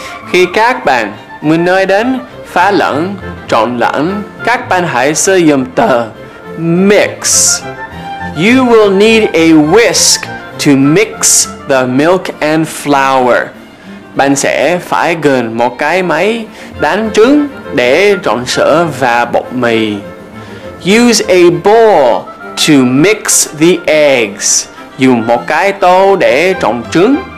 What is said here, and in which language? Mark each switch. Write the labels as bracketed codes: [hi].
[vi] Khi các bạn muốn nói đến pha lẫn, trộn lẫn, các bạn hãy sử dụng từ mix. [en] You will need a whisk to mix the milk and flour. [vi] Bạn sẽ phải cần một cái máy đánh trứng để trộn sữa và bột mì. [en] Use a bowl to mix the eggs. [vi] Dùng một cái tô để trộn trứng.